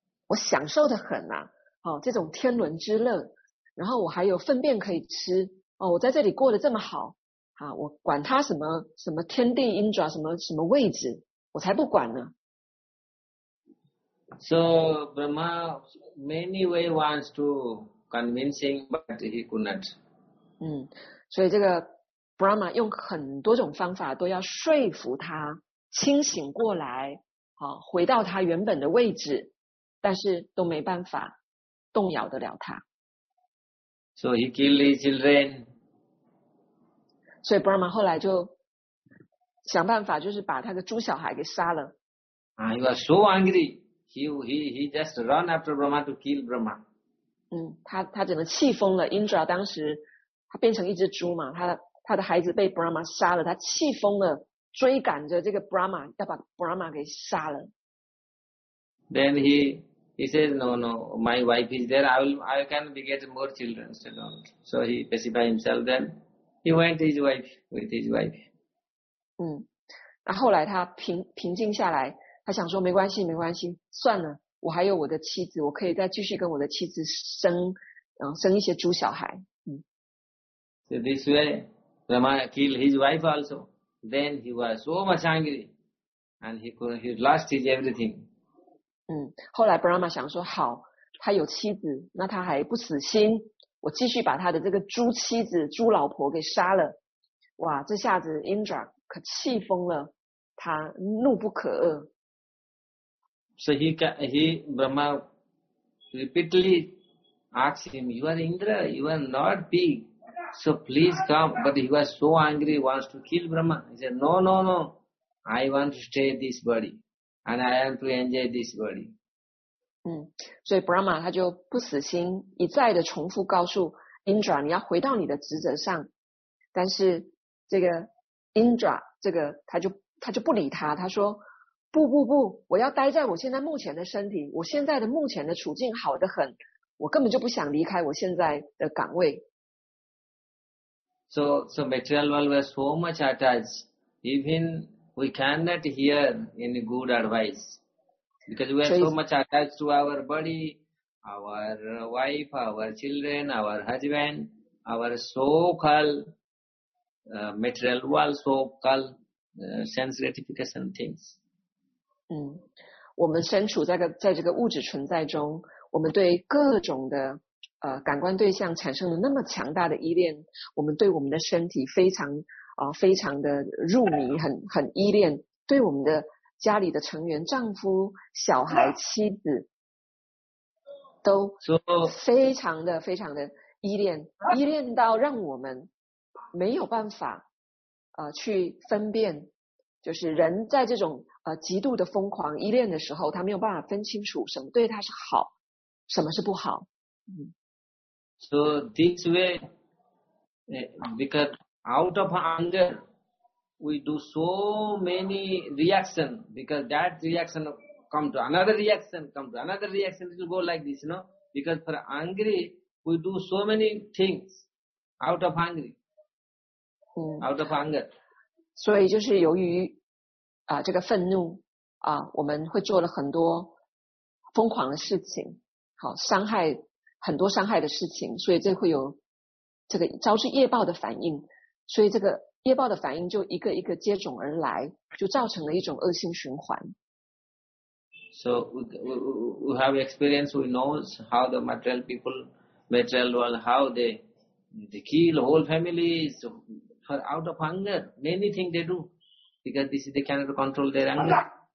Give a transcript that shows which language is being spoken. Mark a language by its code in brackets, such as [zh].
[zh] 我享受得很啊、哦、这种天伦之乐，然后我还有粪便可以吃、哦、我在这里过得这么好、啊、我管他什么什么天地 Indra 什么什么位置，我才不管呢。 [en] So Brahma many way wants to convince him but he could not. [zh] 所以这个 Brahma 用很多种方法都要说服他清醒过来、哦、回到他原本的位置，但是都没办法动摇得了他。 [en] So he killed his children. [zh] 所以 Brahma 后来就想办法，就是把他的猪小孩给杀了。 [en] He was so angry. He just ran after Brahma to kill Brahma. [zh] 他整个气疯了。Indra 当时他变成一只猪嘛，他的孩子被 Brahma 杀了，他气疯了，追赶着这个 Brahma 要把 Brahma 给杀了。 [en] Then he says, no, no, my wife is there, I can get more children. So he pacified himself then. He went to his wife, with his wife. [zh] 那后来他平静下来，他想说没关系，没关系，算了，我还有我的妻子，我可以再继续跟我的妻子生一些猪小孩。 [en] So this way, Brahma killed his wife also. Then he was so much angry, and he lost his everything. [zh] 后来 Brahma 想说，好，他有妻子，那他还不死心，我继续把他的这个猪妻子猪老婆给杀了。哇，这下子 Indra 可气疯了，他怒不可遏。 [en] So he Brahma repeatedly asks him, you are Indra, you are not big, so please come. But he was so angry, wants to kill Brahma. He said, no, no, no, I want to stay this body. And I am to enjoy this body. [zh] 所以 Brahma 他就不死心，一再的重复告诉 Indra 你要回到你的职责上，但是这个 Indra 这个他就不理他，他说不不不，我要待在我现在目前的身体，我现在的目前的处境好得很，我根本就不想离开我现在的岗位。 [en] So material world was so much attached, evenWe cannot hear any good advice because we are so much attached to our body, our wife, our children, our husband, our so-called material world, so-called sense gratification things. [zh] 我们身处在这个物质存在中，我们对各种的感官对象产生了那么强大的依恋，我们对我们的身体非常非常的入迷，很依恋，对我们的家里的成员，丈夫、小孩、妻子，都非常的非常的依恋，依恋到让我们没有办法去分辨，就是人在这种极度的疯狂依恋的时候，他没有办法分清楚什么对他是好，什么是不好。 [en] So this way, because out of anger, we do so many reaction. Because that reaction come to another reaction, come to another reaction. It will go like this, you know. Because for angry, we do so many things out of anger. Out of anger. [zh] 所以就是由于这个愤怒我们会做了很多疯狂的事情，好伤害。很多伤害的事情，所以这会有这个招致业报的反应，所以这个业报的反应就一个一个接踵而来，就造成了一种恶性循环。 [en] So we have experience, we know how the material people, material world, how they kill whole families for out of anger, many things they do because this is they cannot control their anger.